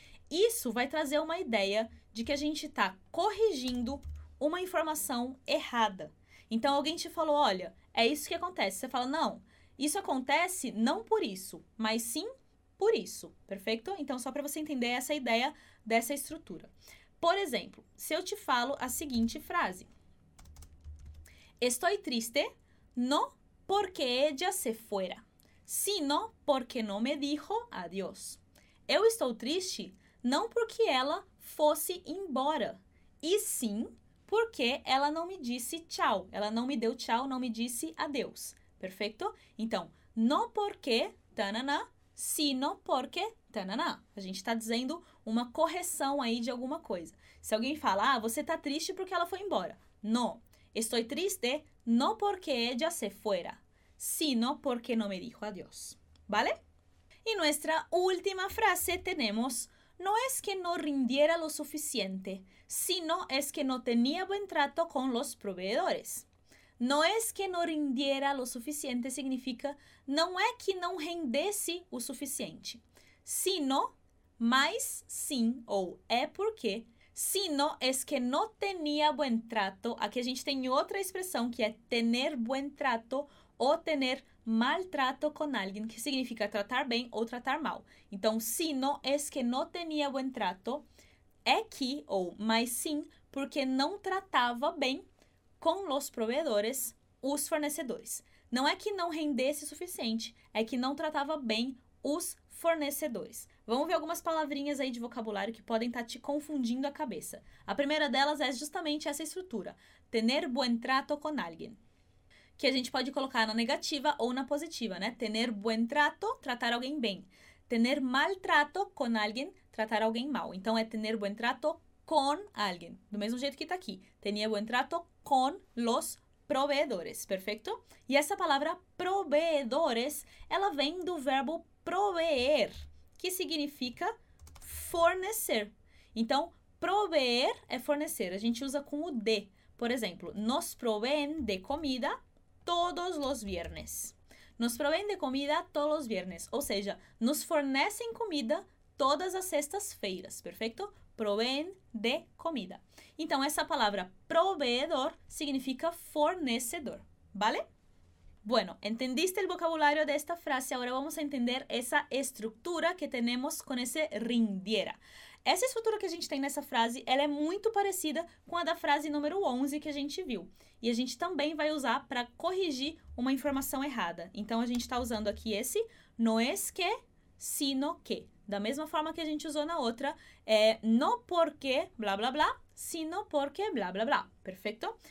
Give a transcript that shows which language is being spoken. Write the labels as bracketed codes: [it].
[pt] Isso vai trazer uma ideia de que a gente está corrigindo uma informação errada. Então, alguém te falou, olha, é isso que acontece. Você fala, não, isso acontece não por isso, mas sim por isso. Perfeito? Então, só para você entender essa ideia dessa estrutura. Por exemplo, se eu te falo a seguinte frase. [es] Estoy triste no porque ella se fuera, sino porque no me dijo adiós. [pt] Eu estou triste não porque ela fosse embora, e sim porque ela não me disse tchau. Ela não me deu tchau, não me disse adeus. Perfeito? Então, [es] no porque, [pt] tanana, [es] sino porque, [pt] tanana. A gente está dizendo uma correção aí de alguma coisa. Se alguém fala, ah, você está triste porque ela foi embora. [es] No. Estoy triste no porque ella se fuera, sino porque no me dijo adiós. ¿Vale? Y nuestra última frase tenemos, no es que no rindiera lo suficiente, sino es que no tenía buen trato con los proveedores. No es que no rindiera lo suficiente significa [pt] não é que não rendesse o suficiente. [es] Sino, [pt] mas sim, ou é porque, [es] sino es que no tenía buen trato. [pt] Aqui a gente tem outra expressão que é [es] tener buen trato [pt] ou [es] tener mal trato con alguien, [pt] que significa tratar bem ou tratar mal. Então, [es] sino es que no tenía buen trato [pt] é que, ou mas sim, porque não tratava bem [es] con los proveedores, [pt] os fornecedores. Não é que não rendesse o suficiente, é que não tratava bem os fornecedores. Vamos ver algumas palavrinhas aí de vocabulário que podem estar te confundindo a cabeça. A primeira delas é justamente essa estrutura. [es] Tener buen trato con alguien. [pt] Que a gente pode colocar na negativa ou na positiva, né? [es] Tener buen trato, [pt] tratar alguém bem. [es] Tener mal trato con alguien, [pt] tratar alguém mal. Então é [es] tener buen trato con alguien. [pt] Do mesmo jeito que está aqui. [es] Tenía buen trato con los proveedores. [pt] Perfeito? E essa palavra proveedores, ela vem do verbo proveer, que significa fornecer. Então, [es] proveer [pt] é fornecer. A gente usa com o de. [es] Por exemplo, nos proveen de comida todos los viernes. Nos proveen de comida todos los viernes. [pt] Ou seja, nos fornecem comida todas as sextas-feiras. Perfeito? [es] Proveen de comida. [pt] Então, essa palavra proveedor significa fornecedor. [es] Vale? Bueno, ¿entendiste el vocabulario de esta frase? Ahora vamos a entender esa estructura que tenemos con ese rindiera. [pt] Essa estrutura que a gente tem nessa frase, ela é muito parecida com a da frase número 11 que a gente viu. E a gente também vai usar para corrigir uma informação errada. Então, a gente está usando aqui esse [es] no es que, sino que. [pt] Da mesma forma que a gente usou na outra, é [es] no porque, [pt] blá, blá, blá, [es] sino porque, [pt] blá, blá, blá. Perfeito?